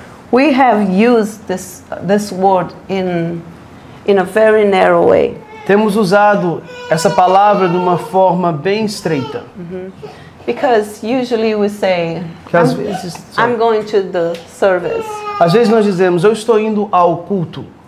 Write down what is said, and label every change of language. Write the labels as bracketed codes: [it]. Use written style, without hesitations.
[en] We have used this word in a very narrow way. [pt] Temos usado essa palavra de uma forma bem estreita. Mm-hmm. [en] Because usually we say I'm going to the service. [pt] Às vezes nós dizemos eu estou indo ao culto.